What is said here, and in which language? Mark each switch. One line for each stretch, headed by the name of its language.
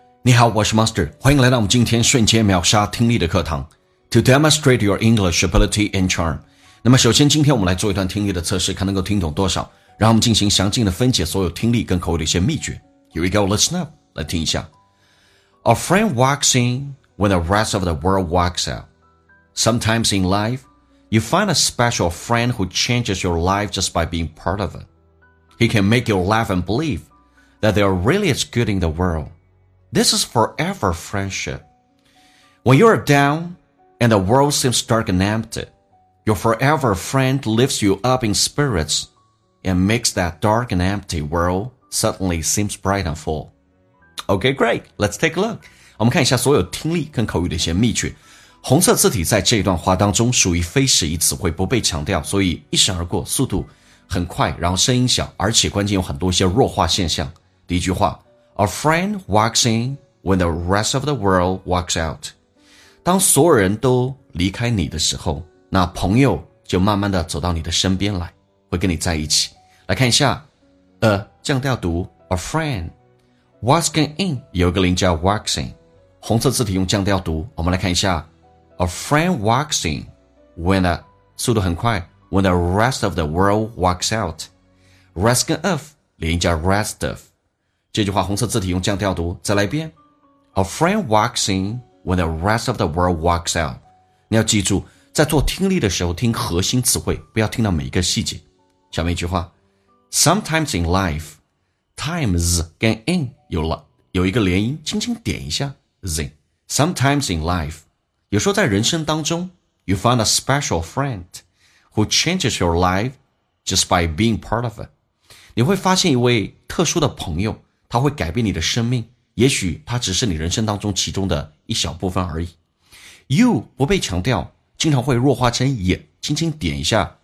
Chinese: 你好，我是 Master， 欢迎来到我们今天瞬间秒杀听力的课堂。
English: To demonstrate your English ability and charm，
Chinese: 那么首先今天我们来做一段听力的测试，看能够听懂多少，然后我们进行详尽的分解所有听力跟口语的一些秘诀。
English: Here we go, listen up，
Chinese: 来听一下。
English: A friend walks in when the rest of the world walks out. Sometimes in life, you find a special friend who changes your life just by being part of it. He can make you laugh and believe that there really is good in the world. This is forever friendship. When you are down and the world seems dark and empty, your forever friend lifts you up in spirits and makes that dark and empty world suddenly seems bright and full. Okay, great. Let's take a look.
Chinese: 我们看一下所有听力跟口语的一些秘诀。红色字体在这一段话当中属于非实义词汇，不被强调，所以一闪而过，速度很快，然后声音小，而且关键有很多一些弱化现象。第一句话，
English: A friend walks in when the rest of the world walks out.
Chinese: 当所有人都离开你的时候，那朋友就慢慢的走到你的身边来，会跟你在一起。来看一下降调读
English: A friend walking in
Chinese: 有个零叫 walks in， 红色字体用降调读。我们来看一下
English: A friend walks in when the
Chinese: 速度很快
English: when the rest of the world walks out.
Chinese: Rest 跟 of 零叫 rest of，这句话红色字体用降调读，再来一遍。
English: A friend walks in when the rest of the world walks out.
Chinese: 你要记住，在做听力的时候听核心词汇，不要听到每一个细节。下面一句话。
English: Sometimes in life,
Chinese: times 跟 in 有一个连音，轻轻点一下 zing.
English: Sometimes in life,
Chinese: 有时候在人生当中
English: you find a special friend who changes your life just by being part of it.
Chinese: 你会发现一位特殊的朋友，他会改变你的生命，也许他只是你人生当中其中的一小部分而已。 You 不被强调，经常会弱化成也，轻轻点一下。